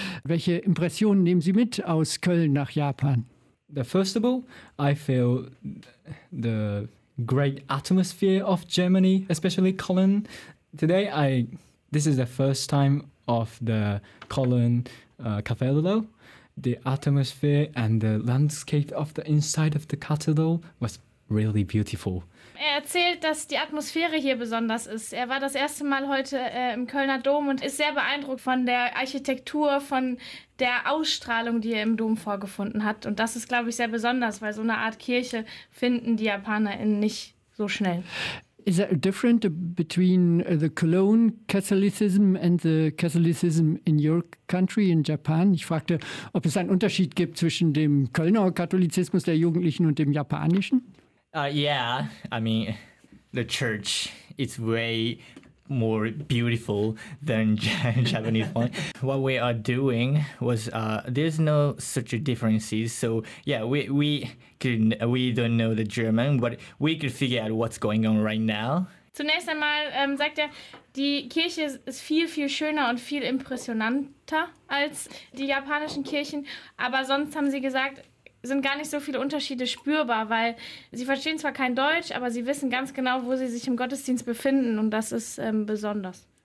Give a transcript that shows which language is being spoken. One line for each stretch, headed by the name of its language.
German: Welche Impressionen nehmen Sie mit aus Köln nach Japan?
English: First of all, I feel the great atmosphere of Germany, especially Cologne. Today, this is the first time of the Cologne Cathedral. The atmosphere and the landscape of the inside of the cathedral was really beautiful.
German: Er erzählt, dass die Atmosphäre hier besonders ist. Er war das erste Mal heute im Kölner Dom und ist sehr beeindruckt von der Architektur, von der Ausstrahlung, die er im Dom vorgefunden hat. Und das ist, glaube ich, sehr besonders, weil so eine Art Kirche finden die JapanerInnen nicht so schnell.
English: Is there a difference between the Cologne Catholicism and the Catholicism in your country, in Japan?
German: Ich fragte, ob es einen Unterschied gibt zwischen dem Kölner Katholizismus der Jugendlichen und dem japanischen?
English: Yeah, I mean, the church is way more beautiful than Japanese one. What we are doing was there's no such a differences. So yeah, we don't know the German, but we could figure out what's going on right now.
German: Zunächst einmal sagt er, die Kirche ist viel, viel schöner und viel impressionanter als die japanischen Kirchen. Aber sonst haben sie gesagt, sind gar nicht so viele Unterschiede spürbar, weil sie verstehen zwar kein Deutsch, aber sie wissen ganz genau, wo sie sich im Gottesdienst befinden und das ist besonders.